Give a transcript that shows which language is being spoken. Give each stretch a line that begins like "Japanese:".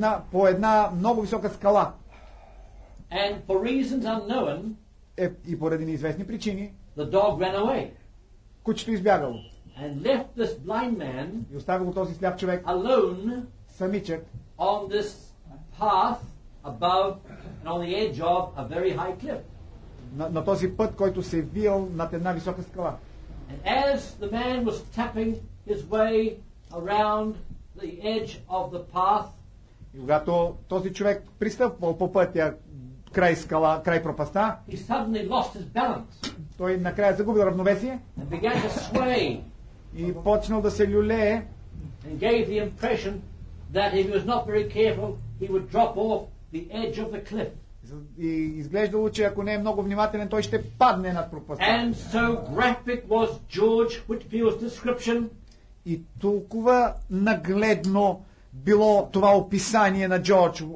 Bulgarian: По една много висока скала.
English: And for reasons unknown.
Bulgarian: И поради неизвестни причини.
English: The dog ran away.
Bulgarian: Кучето избягало.
English: And left this blind man.
Bulgarian: И оставило този сляп човек.
English: Alone.
Bulgarian: Самичък.
English: On this path above and on the edge of a very high cliff.
Bulgarian: На този път, който се вил над една висока скала.
English: And as the man was tapping his way around the edge of the path.
Bulgarian: И когато този човек пристъпвал по пътя край скала, край пропаста.
English: He suddenly lost his balance.
Bulgarian: Той накрая загубил равновесие.
English: And began to sway.
Bulgarian: И почнал да се люлее.
English: And gave the impression that if he was not very careful, he would drop off the edge of the cliff.
Bulgarian: И изглеждало, че ако не е много внимателен, той ще падне над пропастта.
English: And so graphic was George Whitfield's description.
Bulgarian: И толкова нагледно било това описание на Джордж